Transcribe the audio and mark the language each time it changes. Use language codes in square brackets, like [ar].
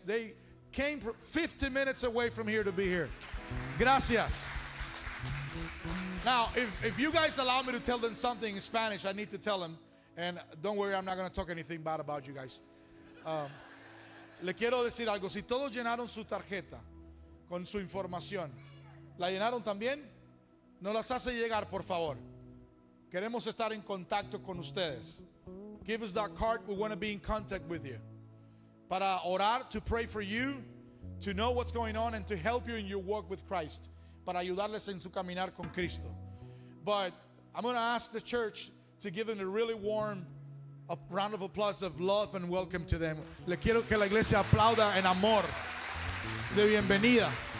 [en] They came 50 minutes away from here to be here. Gracias. Now, if you guys allow me to tell them something in Spanish, I need to tell them. And don't worry, I'm not going to talk anything bad about you guys. [es] Le quiero decir algo. Si todos llenaron su tarjeta con su información, ¿la llenaron también? No las hace llegar, por favor. Queremos estar en contacto con ustedes. [en] Give us that card. We want to be in contact with you. [es] Para orar, [en] to pray for you, to know what's going on, and to help you in your walk with Christ. [es] Para ayudarles en su caminar con Cristo. [en] But I'm going to ask the church to give them a really warm round of applause of love and welcome to them. [es] Le quiero que la iglesia aplauda en amor de bienvenida.